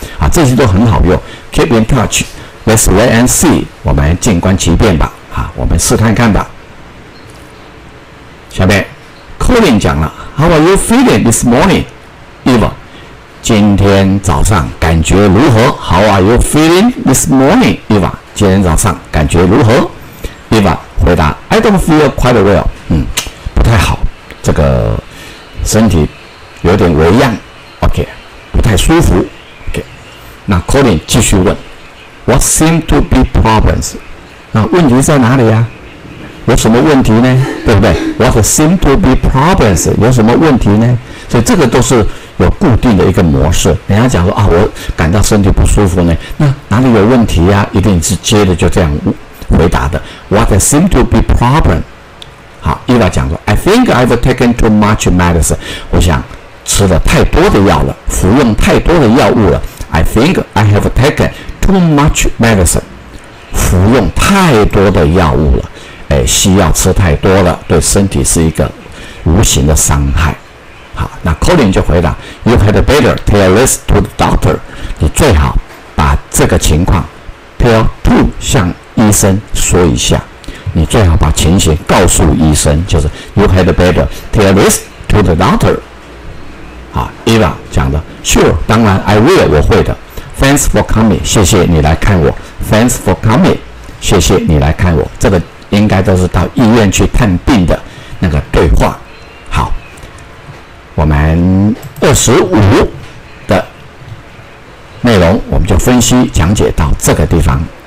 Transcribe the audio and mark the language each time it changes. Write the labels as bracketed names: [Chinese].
[Chinese] 啊，这些都很好用， [English] keep in touch， let's wait and see， [Chinese] 我们静观其变吧。啊，我们试看看吧。下面 [English] Colin [Chinese] 讲了 [English] How are you feeling this morning Eva， [Chinese] 今天早上感觉如何？ [English] How are you feeling this morning Eva， [Chinese] 今天早上感觉如何？ Eva 回答 [English] I don't feel quite well， [Chinese] 嗯，不太好，这个身体有点微恙， OK， 不太舒服， OK。那 Colin 继续问 [English] What seem to be problems， [Chinese] 那问题在哪里啊？有什么问题呢？对不对？ [English] What seem to be problems， [Chinese] 有什么问题呢？所以这个都是有固定的一个模式，人家讲说啊，我感到身体不舒服呢，那哪里有问题啊？一定是接着就这样回答的。 [English] What seem to be problem， [Chinese] 好，伊娃讲说 [English] I think I've taken too much medicine， [Chinese] 我想吃了太多的药了，服用太多的药物了。 [English] I think I have taken too much medicine， [Chinese] 服用太多的药物了，哎，西药吃太多了对身体是一个无形的伤害。好，那 [English] Colin [Chinese] 就回答 [English] You had better tell this to the doctor， [Chinese] 你最好把这个情况 [English] tell to [Chinese] 向医生说一下，你最好把情形告诉医生，就是 [English] You had better tell this to the doctor。 [Chinese] 好， Eva 讲的 [English] Sure， [Chinese] 当然 [English] I will， [Chinese] 我会的。 [English] Thanks for coming， [Chinese] 谢谢你来看我。 [English] Thanks for coming， [Chinese] 谢谢你来看我，这个应该都是到医院去探病的那个对话。好，我们25的内容我们就分析讲解到这个地方。